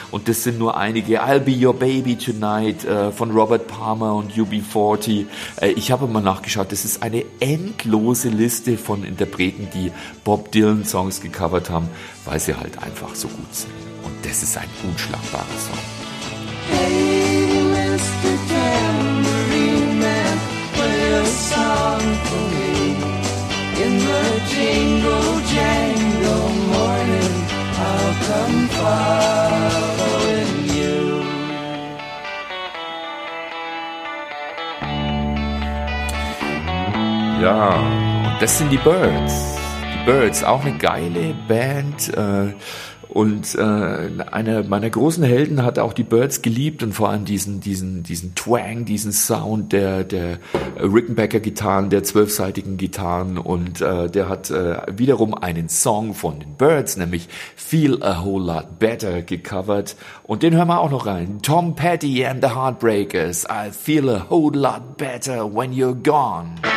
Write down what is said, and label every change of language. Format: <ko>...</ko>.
<de>Und das sind nur einige. I'll Be Your Baby Tonight von Robert Palmer und UB40. Ich habe mal nachgeschaut, das ist eine endlose Liste von Interpreten, die Bob Dylan Songs gecovert haben, weil sie halt einfach so gut sind. Und das ist ein unschlagbarer Song.</de> <en>Hey, Mr. Tambourine Man, play a song for me. In the jingle jangle morning, I'll come following you.</en> <de>Ja, das sind die Birds. Die Birds, auch eine geile Band. Und einer meiner großen Helden hat auch die Birds geliebt und vor allem diesen Twang, diesen Sound der Rickenbacker-Gitarren, der zwölfseitigen Gitarren. Und der hat wiederum einen Song von den Birds, nämlich Feel a Whole Lot Better, gecovert. Und den hören wir auch noch rein.</de> <en>Tom Petty and the Heartbreakers. I feel a whole lot better when you're gone.</en>